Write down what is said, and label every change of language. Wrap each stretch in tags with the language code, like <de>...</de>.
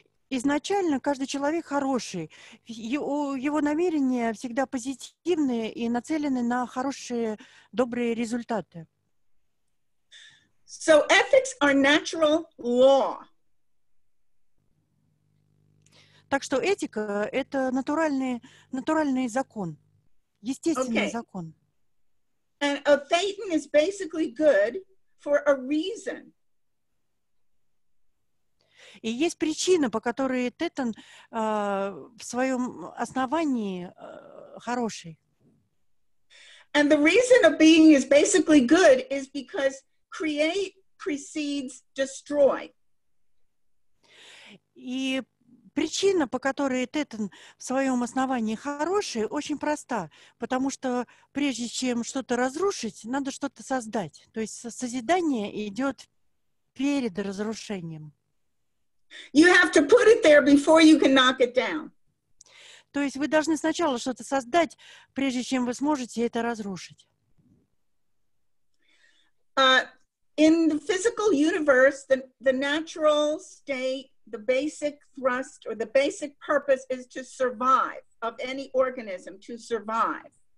<ru>Изначально каждый человек хороший. Его намерения всегда позитивные и нацелены на хорошие, добрые результаты.</ru> <en>So ethics are natural law.</en> <ru>Так что этика — это натуральный закон, естественный закон.</ru> <en>And a thetan is basically good for a reason.</en> <ru>И есть причина, по которой тетан в своем основании хороший.</ru> <en>And the reason a being is basically good is because create precedes destroy.</en> <ru>И причина, по которой тетан в своем основании хороший, очень проста, потому что прежде чем что-то разрушить, надо что-то создать. То есть созидание идет перед разрушением.</ru> <en>You have to put it there before you can knock it down.</en> <ru>То есть вы должны сначала что-то создать, прежде чем вы сможете это разрушить.</ru> <en>In the physical universe, the natural state, the basic thrust or the basic purpose is to survive, of any organism, to survive.</en>